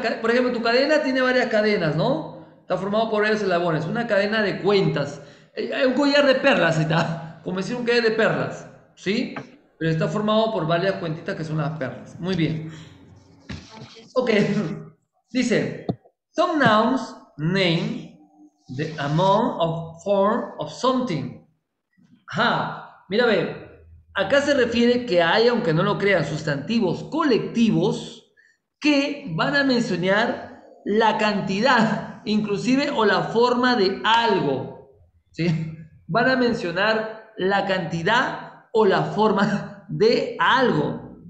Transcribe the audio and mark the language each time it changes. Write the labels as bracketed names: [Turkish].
[Spanish] Por ejemplo, tu cadena tiene varias cadenas, ¿no? Está formado por varios eslabones. Una cadena de cuentas. Hay un collar de perlas y tal. Como decir un collar de perlas, ¿sí? Pero está formado por varias cuentitas que son las perlas. Muy bien. Ok. [English] Dice, some nouns name the amount of form of something. [Spanish] Ajá. Mira, ve. Acá se refiere que hay, aunque no lo crean, sustantivos colectivos que van a mencionar la cantidad, inclusive, o la forma de algo. ¿Sí? Van a mencionar la cantidad o la forma de algo.